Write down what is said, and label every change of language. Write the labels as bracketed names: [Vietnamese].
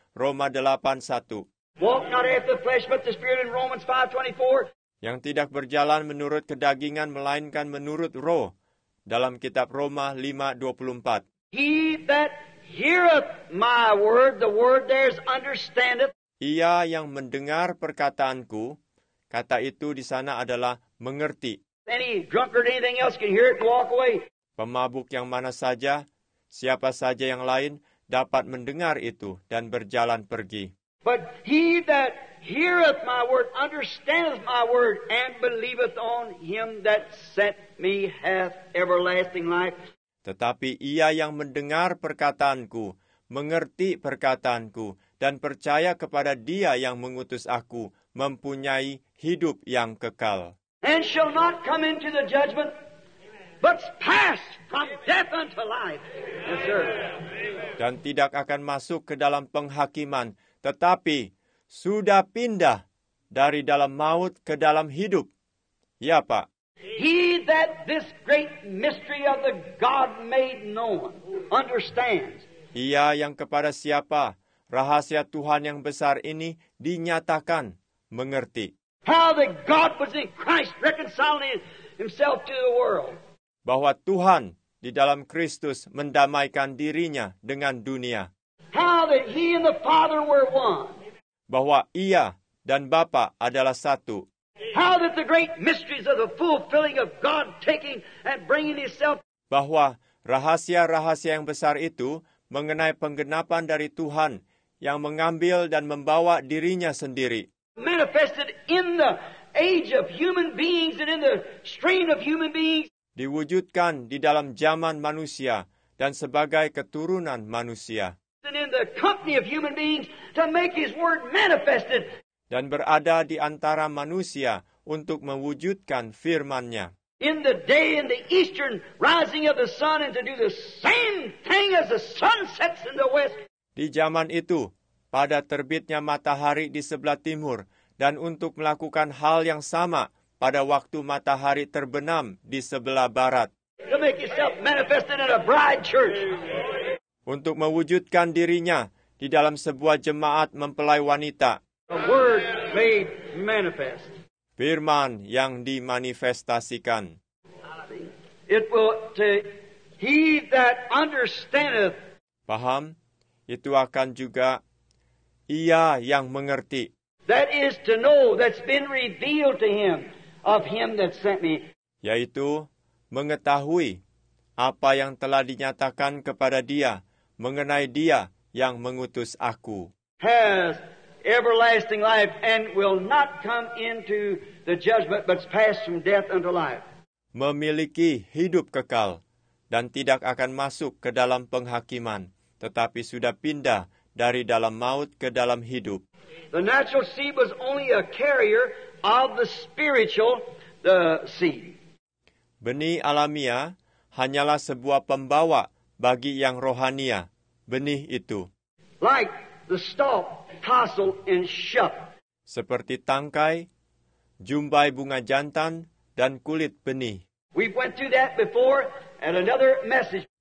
[Indonesian] Roma 8:1. [English] Walk not after the flesh, but the Spirit in Romans 5:24. [Indonesian] Yang tidak berjalan menurut kedagingan, melainkan menurut roh. Dalam kitab Roma 5:24. [English] He that heareth my word, the word there is understandeth. [Indonesian] Ia yang mendengar perkataanku, kata itu di sana adalah mengerti. [English] Any drunkard, anything else can hear it and walk away. [Indonesian] Pemabuk yang mana saja, siapa saja yang lain, dapat mendengar itu dan berjalan pergi. [English] But he that heareth my word, understandeth my word, and believeth on him that sent me hath everlasting life. [Indonesian] Tetapi ia yang mendengar perkataanku, mengerti perkataanku, dan percaya kepada dia yang mengutus aku, mempunyai hidup yang kekal. [English] And shall not come into the judgment, but pass from death unto life. Yes, sir. [Indonesian] Dan tidak akan masuk ke dalam penghakiman, tetapi sudah pindah dari dalam maut ke dalam hidup. Ya, Pak. [English] He that this great mystery of the God made known understands. [Indonesian] Ia yang kepada siapa rahasia Tuhan yang besar ini dinyatakan mengerti. [English] How that God was in Christ reconciling himself to the world. [Indonesian] Bahwa Tuhan di dalam Kristus mendamaikan dirinya dengan dunia. [English] How that he and the Father were one. [Indonesian] Bahwa Ia dan Bapa adalah satu. [English] How that the great mysteries of the fulfilling of God taking and bringing himself. [Indonesian] Bahwa rahasia-rahasia yang besar itu mengenai penggenapan dari Tuhan yang mengambil dan membawa dirinya sendiri. [English] Manifested in the age of human beings and in the strain of human beings. [Indonesian] Diwujudkan di dalam zaman manusia dan sebagai keturunan manusia. [English] And in the company of human beings to make his word manifested. [Indonesian] Dan berada di antara manusia untuk mewujudkan firman-Nya. [English] In the day in the eastern rising of the sun and to do the same thing as the sun sets in the west. [Indonesian] Di zaman itu, pada terbitnya matahari di sebelah timur, dan untuk melakukan hal yang sama pada waktu matahari terbenam di sebelah barat. [English] To make yourself manifested in a bride church. [Indonesian] Untuk mewujudkan dirinya di dalam sebuah jemaat mempelai wanita. [English] A word made manifest. [Indonesian] Firman yang dimanifestasikan. [English] It will to he that understandeth. [Indonesian] Paham? Itu akan juga ia yang mengerti. [English] That is to know that's been revealed to him of him that sent me. [Indonesian] Yaitu mengetahui apa yang telah dinyatakan kepada dia mengenai dia yang mengutus aku. [English] Has everlasting life and will not come into the judgment but pass from death unto life. [Indonesian] Memiliki hidup kekal dan tidak akan masuk ke dalam penghakiman tetapi sudah pindah dari dalam maut ke dalam hidup. [English] The natural seed was only a carrier of the spiritual the seed. [Indonesian] Benih alamiah hanyalah sebuah pembawa bagi yang rohania, benih itu. [English] Like the stalk tasseled and shut. [Indonesian] Seperti tangkai, jumbai bunga jantan dan kulit benih. [English] We went through that before at another message.